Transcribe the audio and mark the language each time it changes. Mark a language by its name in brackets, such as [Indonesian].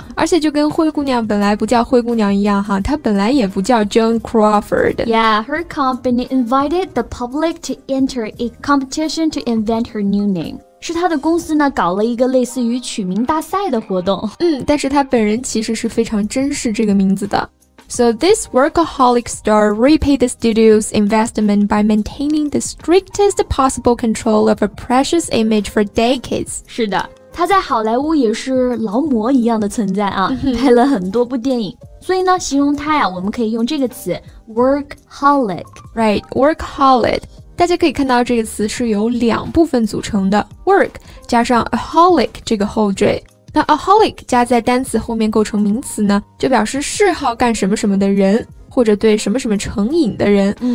[Chinese] 而且就跟灰姑娘本来不叫灰姑娘一样哈，她本来也不叫 Joan Crawford. [English] Yeah, her company invited the public to enter a competition to invent her new name. [Chinese] 是他的公司呢搞了一个类似于取名大赛的活动。但是他本人其实是非常珍视这个名字的。 [English] So this workaholic star repaid the studio's investment by maintaining the strictest possible control of a precious image for decades. [Chinese] 是的，他在好莱坞也是劳模一样的存在啊，拍了很多部电影。所以呢，形容他呀，我们可以用这个词 workaholic. Right, workaholic. 大家可以看到这个词是由两部分组成的 work 加上 aholic 这个后缀，那 aholic 加在单词后面构成名词呢，就表示嗜好干什么什么的人，或者对什么什么成瘾的人。